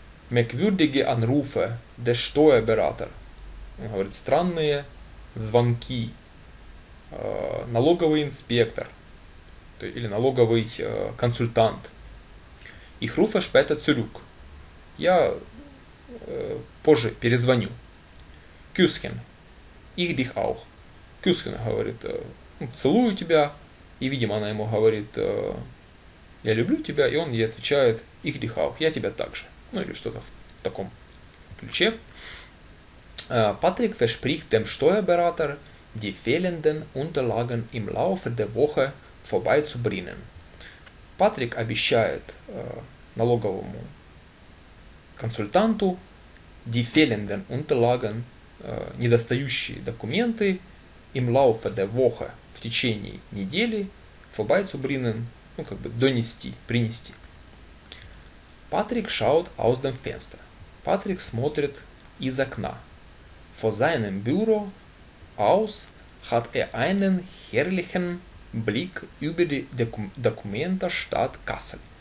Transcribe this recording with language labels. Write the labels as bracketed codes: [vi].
[de] Merkwürdige Anrufe des Steuerberaters. [ru] Он говорит, странные звонки. Налоговый инспектор или налоговый консультант. [de] Ich rufe später zurück. [ru] Я позже перезвоню. [de] Küsschen. Ich dich auch. [ru] Küsschen говорит, целую тебя. И, видимо, она ему говорит, я люблю тебя. И он ей отвечает, [de] ich dich auch. [ru] Я тебя также. Ну, или что-то в таком ключе. [de] Patrick verspricht dem Steuerberater, die fehlenden Unterlagen im Laufe der Woche vorbeizubringen. [ru] Patrick обещает налоговому консультанту [de] die fehlenden Unterlagen, [ru] недостающие документы, [de] im Laufe der Woche, [ru] в течение недели, [de] vorbeizubringen, [ru] ну, как бы донести, принести. [de] Patrick schaut aus dem Fenster. [ru] Patrick смотрит из окна. [de] Vor seinem Büro aus hat einen herrlichen Blick über die Dokumente Stadt Kassel.